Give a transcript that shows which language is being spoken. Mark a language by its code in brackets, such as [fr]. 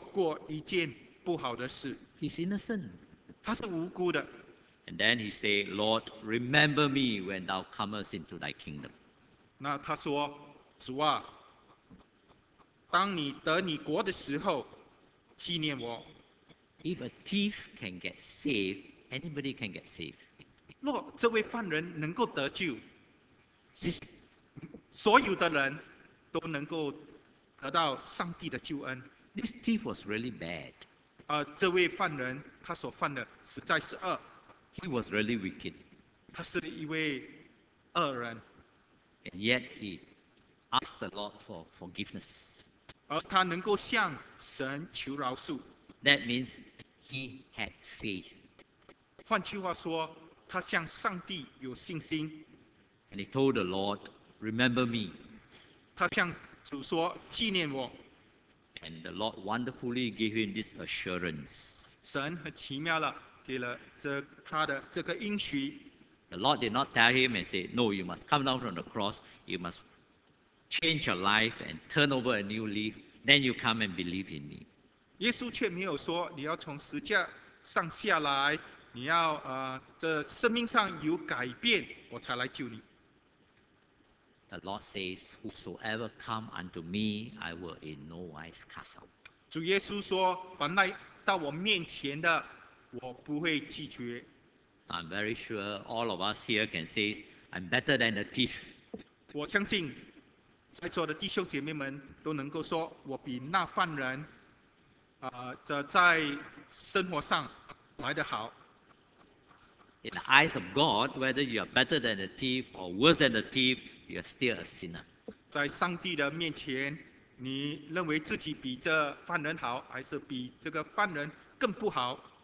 [zh] 但这个人却没有做过一件不好的事。 [en] He's innocent. [zh] 他是无辜的。 [en] And then he said, Lord, remember me when thou comest into thy kingdom. [zh] 那他说, 主啊, 当你得你国的时候, 纪念我。 [en] If a thief can get saved, anybody can get saved. [zh] 若这位犯人能够得救, 所有的人都能够得到上帝的救恩。 [en] This thief was really bad. [zh] 这位犯人, 他所犯的实在是恶。 [en] He was really wicked. [zh] 他是一位恶人。 [en] And yet he asked the Lord for forgiveness. [zh] 而他能够向神求饶恕。 [en] That means he had faith. [zh] 换句话说, 他向上帝有信心。 [en] And he told the Lord, remember me. [zh] 他向主说, 纪念我。 [en] And the Lord wonderfully gave him this assurance. [zh] 神很奇妙了。给了这他的这个应许, [en] the Lord did not tell him and say, no, you must come down from the cross, you must change your life and turn over a new leaf, then you come and believe in me. [zh] 耶稣却没有说, 你要从十架上下来, 你要, 这生命上有改变, 我才来救你。 [en] The Lord says, whosoever come unto me, I will in no wise cast out. [zh] 主耶稣说, 凡来到我面前的, 我不会拒绝。 [en] I'm very sure all of us here can say I'm better than the thief. [zh] 我相信在座的弟兄姐妹们都能够说我比那犯人 在生活上来得好。 [en] In the eyes of God, whether you are better than the thief or worse than the thief, you are still a sinner. [zh] 在上帝的面前, 你认为自己比这犯人好, 还是比这个犯人更不好。